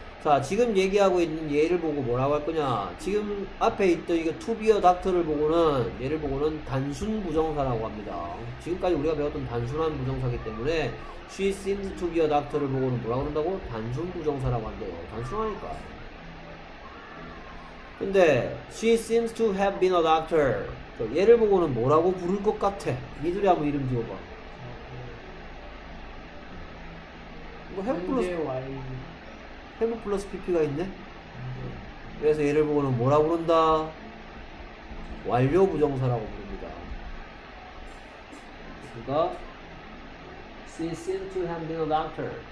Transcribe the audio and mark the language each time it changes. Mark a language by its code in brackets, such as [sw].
[ko] 자, 지금 얘기하고 있는 얘를 보고 뭐라고 할 거냐. 지금 앞에 있던 이거 to be a doctor를 보고는 얘를 보고는 단순 부정사라고 합니다. 지금까지 우리가 배웠던 단순한 부정사이기 때문에 she seems to be a doctor를 보고는 뭐라고 그런다고? 단순 부정사라고 한대요. 단순하니까. [en] 근데 she seems to have been a doctor. [ko] 얘를 보고는 뭐라고 부를 것 같아? 니들이 한번 이름 지어봐. 뭐 해플러스 have 플러스 pp가 있네. 그래서 얘를 보고는 뭐라고 부른다? 완료 부정사라고 부릅니다. 그러니까 [en] she seems to have been a doctor.